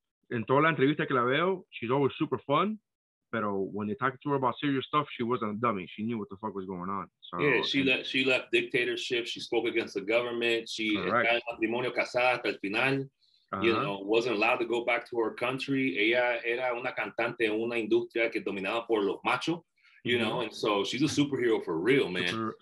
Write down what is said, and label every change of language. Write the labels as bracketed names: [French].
[English] In [Spanish] toda la entrevista que la veo, [English] she's always super fun, but when they talked to her about serious stuff, she wasn't a dummy. She knew what the fuck was going on. So, yeah, she left dictatorship. She spoke against the government. She had [Spanish] matrimonio casada hasta el final. [English] You know, wasn't allowed to go back to her country. [Spanish] Ella era una cantante en una industria que dominaba por los machos. [English] You know, and so she's a superhero for real, man.